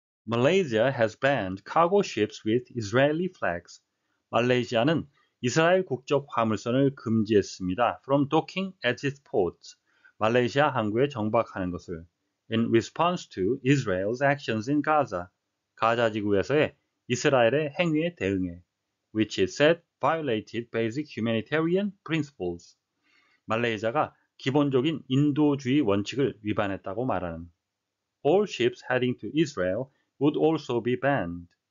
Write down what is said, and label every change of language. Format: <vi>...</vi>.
<en>Malaysia has banned cargo ships with Israeli flags.</en> <ko>말레이시아는 이스라엘 국적 화물선을 금지했습니다.</ko> <en>From docking at its ports,</en> <ko>말레이시아 항구에 정박하는 것을.</ko> <en>In response to Israel's actions in Gaza,</en> <ko>가자 지구에서의 이스라엘의 행위에 대응해,</ko> <en>which it said violated basic humanitarian principles.</en> <ko>말레이시아가 기본적인 인도주의 원칙을 위반했다고 말하는.</ko> <en>All ships heading to Israel would also be banned.</en>